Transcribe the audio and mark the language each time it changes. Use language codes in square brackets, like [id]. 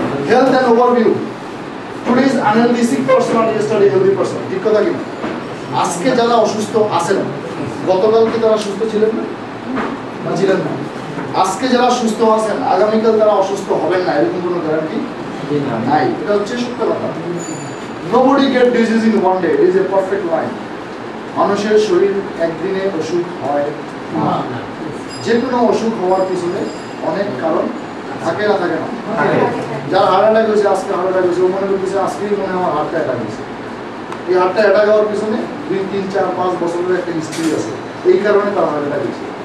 [en] health and overview, today is unhealthy sick person not yesterday healthy person, [bn] ঠিক কথা কি? আজকে যারা অসুস্থ আছেন গতকাল কি তারা সুস্থ ছিলেন না? না ছিলেন না। আজকে যারা সুস্থ আছেন আগামীকাল তারা অসুস্থ হবেন না, এরকম কোনো গ্যারান্টি নাই, এটা হচ্ছে সত্য কথা। [en] Nobody get disease in one day, it is a perfect line. [bn] মানুষের শরীর একদিনে অসুখ হয় না, যে কোনো অসুখ হওয়ার পিছনে অনেক কারণ থাকে না থাকে না। যার হার্ট অ্যাটাক হয়েছে আজকে হার্ট অ্যাটাক হয়েছে, ও মনে করছে আজকেই মনে আমার হার্ট অ্যাটাক হয়েছে, এই হার্টটা অ্যাটাক হওয়ার পিছনে দুই তিন চার পাঁচ বছরের একটা হিস্ট্রি আছে, এই কারণে তার হার্ট অ্যাটাক হয়েছে।